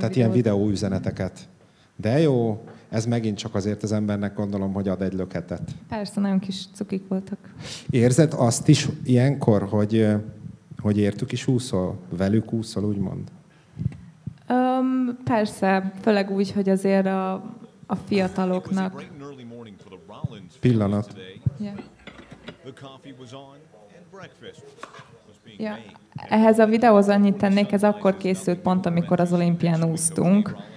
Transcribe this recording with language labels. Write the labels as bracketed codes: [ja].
[hu] Tehát ilyen videó üzeneteket. De jó, ez megint csak azért az embernek gondolom, hogy ad egy löketet. Persze, nagyon kis cukik voltak. Érzed azt is ilyenkor, hogy értük is úszol, velük úszol, úgymond? Persze, főleg úgy, hogy azért a fiataloknak [en] early morning for the Rollins family today. The coffee was on and breakfast was being made. [hu] Ehhez a videóhoz annyit tennék, ez akkor készült pont, amikor az olimpián úsztunk.